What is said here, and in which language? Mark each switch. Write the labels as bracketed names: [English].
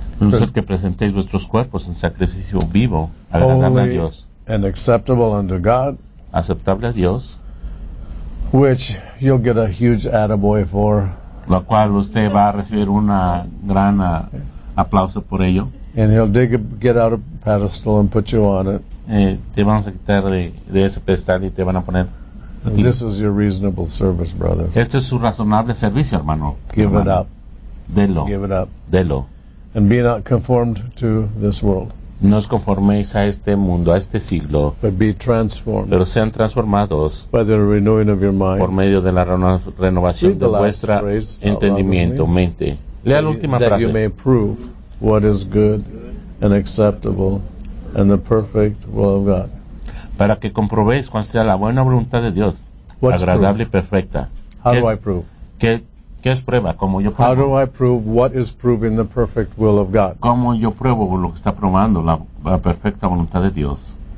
[Spanish] Que presentéis vuestros cuerpos en sacrificio vivo, agradable a Dios. [English] And acceptable unto God. [Spanish] Aceptable a Dios. [English] Which you'll get a huge attaboy for. [Spanish] Lo cual usted va a recibir una gran aplauso por ello. [English] And he'll dig a, get out a pedestal and put you on it. [Spanish] Te van a quitar de ese pedestal y te van a poner. [English] This is your reasonable service, brother. [Spanish] Este es su razonable servicio, hermano. [English] Give [Spanish] hermano. [English] It up. [Spanish] Délo. [English] Give it up. [Spanish] Délo. [English] And be not conformed to this world. [Spanish] No os conforméis a este mundo, a este siglo. [English] But be transformed. [Spanish] Pero sean transformados. [English] By the renewing of your mind. [Spanish] Por medio de la renovación de vuestra entendimiento, mente. Lea la última frase. [English] That you may prove what is good and acceptable and the perfect will of God. [Spanish] Para que comprobéis cuál sea la buena voluntad de Dios. [English] What's [Spanish] agradable [English] proof? [Spanish] Y perfecta. [English] How do I prove? [Spanish] ¿Qué es prueba? ¿Cómo yo pruebo? [English] How do I prove what is proving the perfect will of God? [Spanish] ¿Cómo yo pruebo lo que está probando la perfecta voluntad de Dios?